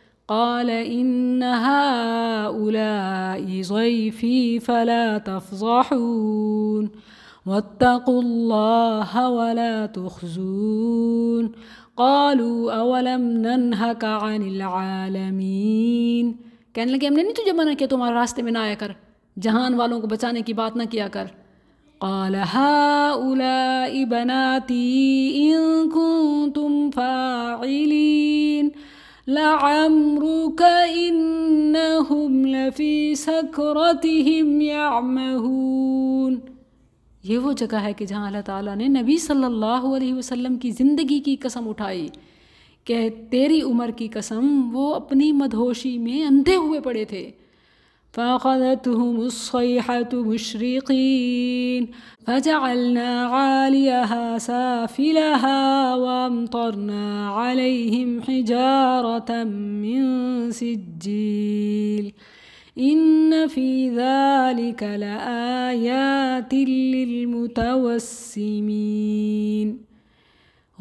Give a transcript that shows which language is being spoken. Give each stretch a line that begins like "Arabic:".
Arabic: قَالَ إِنَّ هَؤُلَاءِ ضَيْفِي فَلَا تَفْضَحُونَ وَاتَّقُوا اللَّهَ وَلَا تُخْزُونَ قَالُوا أَوَلَمْ نَنْهَكَ عَنِ الْعَالَمِينَ،
Urdu: کہنے لگے ہم نے نہیں تجھے منع کیا تمہارے راستے میں نہ آیا کر، جہان والوں کو بچانے کی بات نہ کیا کر۔
Arabic: قال هؤلاء بناتي ان كنتم فاعلين لعمرك انهم لفي سكرتهم يعمهون،
Urdu: یہ وہ جگہ ہے کہ جہاں اللہ تعالیٰ نے نبی صلی اللہ علیہ وسلم کی زندگی کی قسم اٹھائی کہ تیری عمر کی قسم، وہ اپنی مدہوشی میں اندھے ہوئے پڑے تھے۔
Arabic: فَأَخَذَتْهُمُ الصَّيْحَةُ مُشْرِقِينَ فَجَعَلْنَا عَالِيَهَا سَافِلَهَا وَأَمْطَرْنَا عَلَيْهِمْ حِجَارَةً مِّن سِجِّيلٍ إِنَّ فِي ذَلِكَ لَآيَاتٍ لِّلْمُتَوَسِّمِينَ،